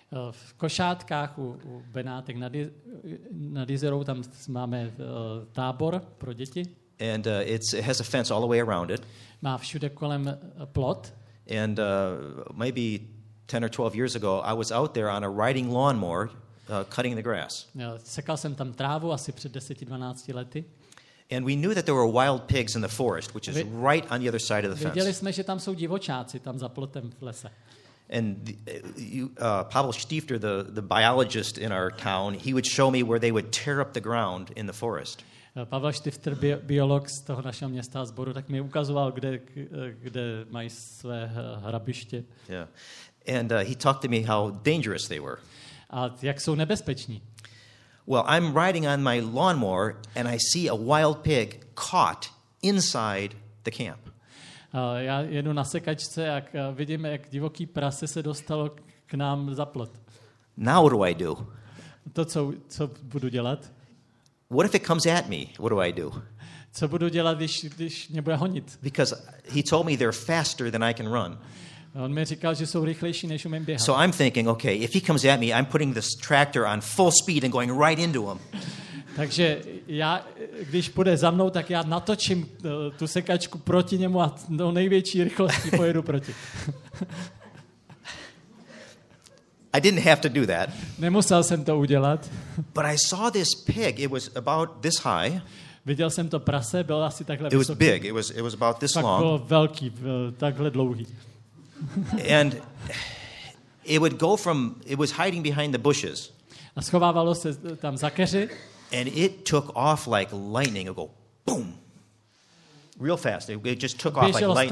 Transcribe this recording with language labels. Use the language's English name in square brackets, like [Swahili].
[Czech] V Košátkách u Benátek nad jezerou tam máme tábor pro děti. [English] And it has a fence all the way around it. [Czech] Má všude kolem plot. [English] And maybe 10 or 12 years ago I was out there on a riding lawnmower cutting the grass. [Czech] Sekal jsem tam trávu asi před 10-12 lety. [English] And we knew that there were wild pigs in the forest, which is right on the other side of the fence. [Czech] Věděli jsme, že tam jsou divočáci tam za plotem v lese. [English] And Pavel Stifter, the biologist in our town, he would show me where they would tear up the ground in the forest. [Czech] Pavel Stifter, biolog z toho našeho města sboru, tak mi ukazoval, kde mají své hrabiště. [English] Yeah. And he talked to me how dangerous they were. [Czech] A jak jsou nebezpeční. [English] Well, I'm riding on my lawnmower and I see a wild pig caught inside the camp. [Czech] Já jedu na sekačce a vidím, jak divoký prase se dostalo k nám za plot. [English] Now what do I do? [Czech] To, co budu dělat? [English] What if it comes at me? What do I do? [Czech] Co budu dělat, když mě bude honit? [English] Because he told me they're faster than I can run. [Czech] On mi říkal, že jsou rychlejší, než umím běhat. [English] So I'm thinking, okay, if he comes at me, I'm putting this tractor on full speed and going right into him. [Czech] Takže já, když půjde za mnou, tak já natočím tu sekačku proti němu a do největší rychlosti pojedu proti. [English] I didn't have to do that. [Czech] Nemusel jsem to udělat. [English] But I saw this pig. It was about this high. [Czech] Viděl jsem to prase, bylo asi takhle vysoký. [English] It was big. It was about this [Czech] tak [English] long. [Czech] Bylo velký, takhle dlouhý. [English] And it would go from, it was hiding behind the bushes. [Czech] A schovávalo se tam za keři. [English] And it took off like lightning. It would go boom. Real fast. It just took off like lightning.